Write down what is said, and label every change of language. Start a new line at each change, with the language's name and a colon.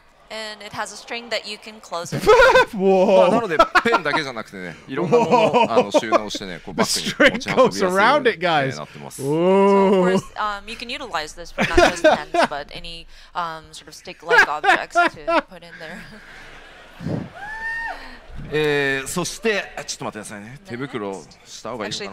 English: And it has a string that you can close it.
Japanese: なのでペンだけじゃなくてね、いろんなものを収納してね、バッグに持ち運びやすいようになってます。
English: So of course, you can utilize this for not just pens, but any sort of stick-like objects to put in there.
Japanese: そして、ちょっと待ってくださいね。手袋した方がいいかな。